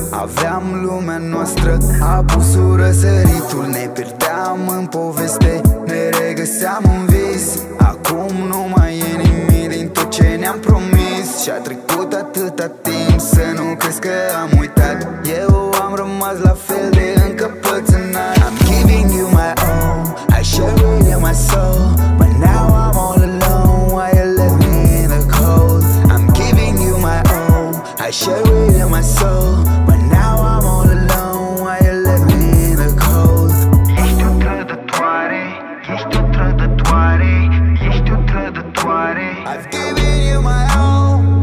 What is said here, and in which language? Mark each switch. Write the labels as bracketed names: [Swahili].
[Romanian] Aveam lumea noastră, apusul răsăritul. Ne pierdeam în poveste, ne regăseam în vis. Acum nu mai e nimic din tot ce ne-am promis. Și-a trecut atâta timp să nu crezi că am uitat. Eu am rămas la fel de încăpățânat. [English] I'm giving you my all, I share it in my soul. But now I'm all alone, why you left me in the cold? I'm giving you my all, I share it in my soul. But now I'm all alone, why you left me in the cold? [Romanian] Ești o trădătoare, ești o trădătoare. Ești o trădătoare, [English] I've given you my all.